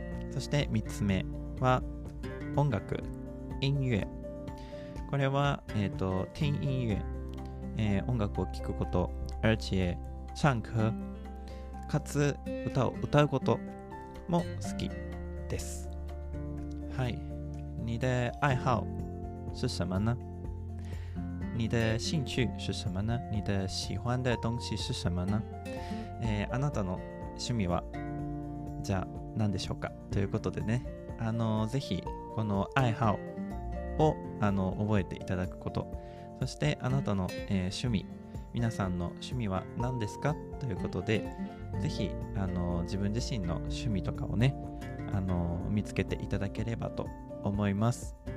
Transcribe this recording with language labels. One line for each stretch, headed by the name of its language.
Japanese: そして三つ目は音楽、音乐。これは、
Chinese: 听音乐、
Japanese: 音楽を聴くこと、
Chinese: 而且唱歌、
Japanese: かつ歌を歌うことも好きです。
Chinese: はい、你的爱好是什么呢？你的兴趣是什么呢？你的喜欢的东西是什么呢？
Japanese: あなたの趣味はじゃあ何でしょうか、ということでね、ぜひこの爱好を覚えていただくこと、そしてあなたの、趣味、皆さんの趣味は何ですか、ということで、ぜひ自分自身の趣味とかをね、見つけていただければと思います。